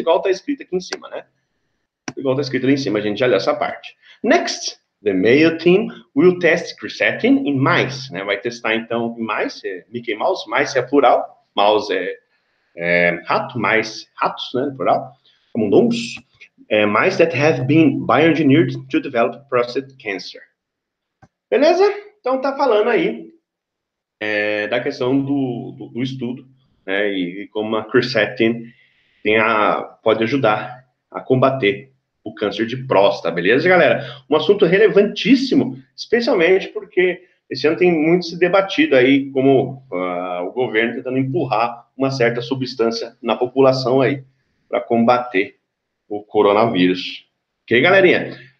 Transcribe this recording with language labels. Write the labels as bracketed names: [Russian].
[Portuguese] Igual está escrito aqui em cima, né? Igual está escrito ali em cima, a gente já leu essa parte. [English] Next, the male team will test creatine in mice, né? [Portuguese] Vai testar então em mice, Mickey Mouse, mice é plural, mouse é rato, mice, ratos, né? Plural, camundongos. [English] Mice that have been bioengineered to develop prostate cancer. [Portuguese] Beleza? Então tá falando aí da questão do estudo, né? E como a creatine pode ajudar a combater o câncer de próstata, beleza, galera? Um assunto relevantíssimo, especialmente porque esse ano tem muito se debatido aí como o governo tentando empurrar uma certa substância na população aí para combater o coronavírus. Ok, galerinha?